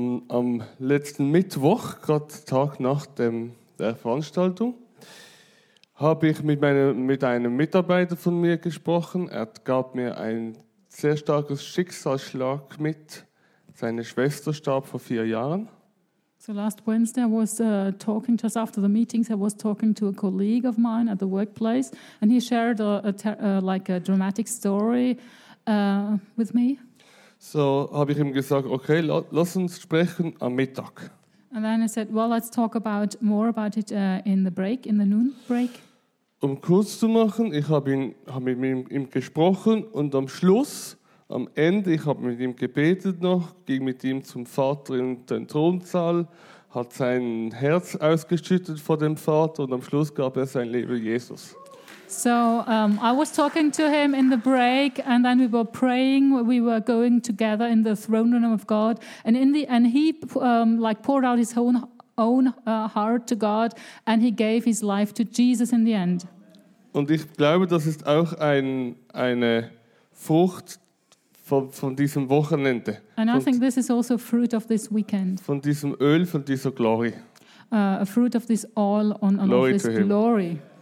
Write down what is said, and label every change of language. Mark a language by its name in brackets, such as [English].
[German] Am letzten Mittwoch, gerade Tag nach der Veranstaltung, habe ich mit einem Mitarbeiter von mir gesprochen. Er gab mir ein sehr starkes Schicksalsschlag mit. Seine Schwester starb vor 4 Jahren. [English] So last Wednesday I was talking, just after the meetings, I was talking to a colleague of mine at the workplace and he shared a dramatic story with me. [German] So habe ich ihm gesagt, okay, lass uns sprechen am Mittag. [English] And then I said, well, let's talk about more about it in the break, in the noon break. [German] Um kurz zu machen, ich habe hab mit ihm gesprochen und am Schluss, am Ende, ich habe mit ihm gebetet noch, ging mit ihm zum Vater in den Thronsaal, hat sein Herz ausgeschüttet vor dem Vater und am Schluss gab er sein Leben Jesus. [English] So I was talking to him in the break and then we were praying, we were going together in the throne room of God and in the and he like poured out his own heart to God and he gave his life to Jesus in the end. [German] Und ich glaube, das ist auch eine Frucht von diesem Wochenende. [English] And I think this is also fruit of this weekend. [German] Von diesem Öl, von dieser Glory. [English] A fruit of this oil on glory of this glory.